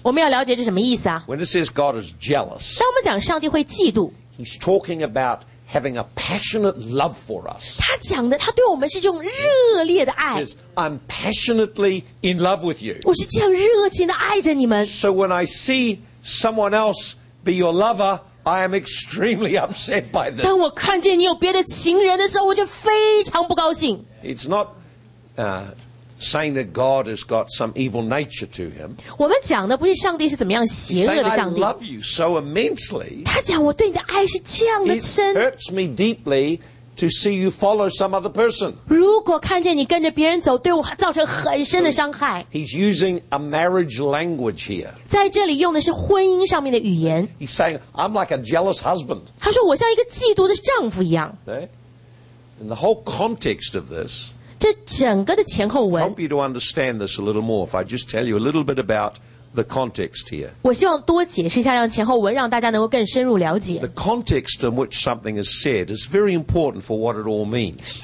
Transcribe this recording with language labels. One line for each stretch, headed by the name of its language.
Chinese: 我们要了解这什么意思啊。
English: When it says God is jealous,
Chinese: 当我们讲上帝会嫉妒。
English: He's talking about having a passionate love for us.
Chinese: 他对我们是这种热烈的爱。
English: He says, I'm passionately in love with you.
Chinese: 我是这样热情地爱着你们。
English: So when I see someone else be your lover, I am extremely upset by this.
Chinese: 当我看见你有别的情人的时候，我就非常不高兴。
English: It's not saying that God has got some evil nature to him.
Chinese: 我们讲的不是上帝是怎么样邪恶的上帝。
English: He's saying, I love you so immensely.
Chinese: 他讲我对你的爱是这样的深。
English: It hurts me deeply to see you follow some other person.
Chinese: 如果看见你跟着别人走，对我造成很深的伤害。
English: He's using a marriage language here.
Chinese: 在这里用的是婚姻上面的语言。
English: He's saying, I'm like a jealous husband.
Chinese: 他说我像一个嫉妒的丈夫一样。
English: And the whole context of this,
Chinese: 这整个的前后文,
English: I hope you to understand this a little more if I just tell you a little bit about the context here.
Chinese: 我希望多解释一下，让前后文让大家能够更深入了解。
English: The context in which something is said is very important for what it all means.